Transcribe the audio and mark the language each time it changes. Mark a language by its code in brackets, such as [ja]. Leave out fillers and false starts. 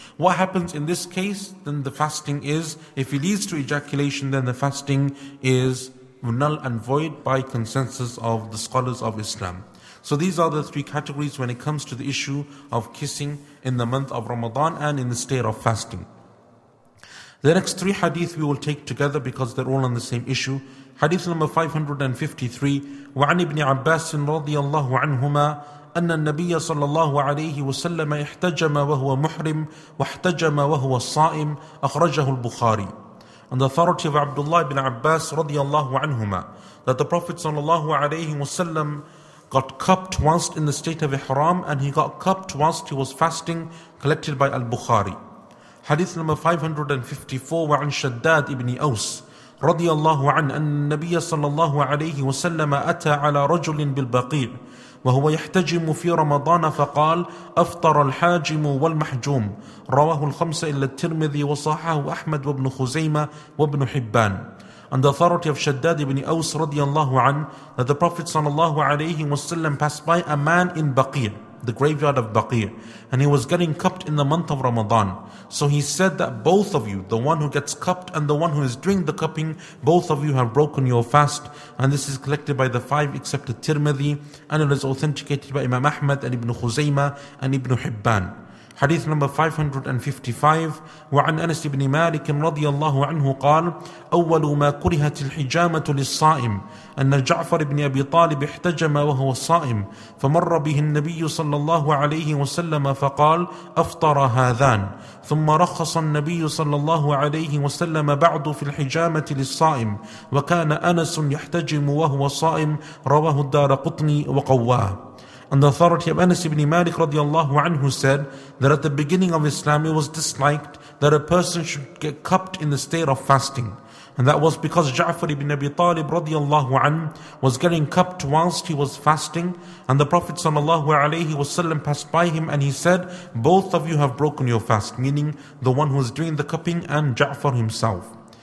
[en] What happens in this case? Then the fasting is, if it leads to ejaculation, then the fasting is null and void by consensus of the scholars of Islam. So these are the three categories when it comes to the issue of kissing in the month of Ramadan and in the state of fasting. The next three hadith we will take together because they're all on the same issue. Hadith number 553. [ar] وعن ابن عباس رضي الله عنهما أن النبي صلى الله عليه وسلم احتجم وهو محرم واحتجم وهو صائم أخرجه البخاري. [en] on the authority of Abdullah ibn Abbas radiyallahu anhuma, that the Prophet sallallahu alayhi wasallam got cupped whilst in the state of Ihram, and he got cupped whilst he was fasting, collected by Al-Bukhari. Hadith number 554, [ar] wa'an Shaddad ibn Aws radiyallahu anhu, an Nabiya sallallahu alayhi wasallam ata ala rajulin bil baqir, وهو يحتجم في رمضان فقال أفطر الحاجم والمحجوم رواه الخمسة إلا الترمذي وصححه أحمد وابن خزيمة وابن حبان. [en] And the authority of Shaddad ibn Aws radiallahu an, that the Prophet sallallahu alayhi wasallam passed by a man in Baqir, the graveyard of Baqir, and he was getting cupped in the month of Ramadan. So he said that both of you, the one who gets cupped and the one who is doing the cupping, both of you have broken your fast. And this is collected by the five except the Tirmidhi, and it is authenticated by Imam Ahmad and Ibn Khuzaymah and Ibn Hibban. Hadith number 555, [ar] وعن أنس بن مالك رضي الله عنه قال أول ما كرهت الحجامة للصائم أن جعفر بن أبي طالب احتجم وهو صائم فمر به النبي صلى الله عليه وسلم فقال أفطر هذان ثم رخص النبي صلى الله عليه وسلم بعد في الحجامة للصائم وكان أنس يحتجم وهو صائم رواه الدارقطني وقواه. [en] And the authority of Anas ibn Malik radiallahu anhu said that at the beginning of Islam it was disliked that a person should get cupped in the state of fasting. And that was because Ja'far ibn Abi Talib radiallahu anhu was getting cupped whilst he was fasting. And the Prophet sallallahu alayhi wasallam passed by him and he said, both of you have broken your fast, meaning the one who is doing the cupping and Ja'far himself.